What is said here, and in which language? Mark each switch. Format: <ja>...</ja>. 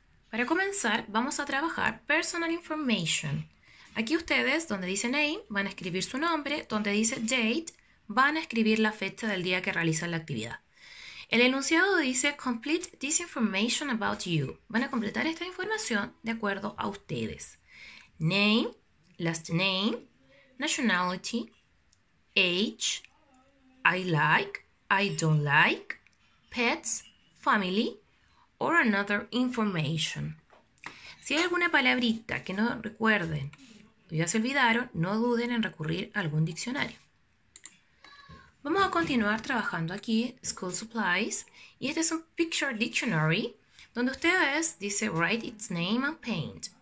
<es>Para comenzar, vamos a trabajar Personal Information. Aquí ustedes, donde dice name, van a escribir su nombre, donde dice date, van a escribir la fecha del día que realizan la actividad. El enunciado dice</es> <en>complete this information about you.</en> <es>Van a completar esta información de acuerdo a ustedes.</es> <en>Name, last name, nationality, age, I like, I don't like, pets, family, or another information.</en> <es>Si hay alguna palabrita que no recuerden, ya se olvidaron, no duden en recurrir a algún diccionario. Vamos a continuar trabajando aquí, School Supplies, y este es un Picture Dictionary, donde ustedes, dice,</es> <en>write its name and paint.</en>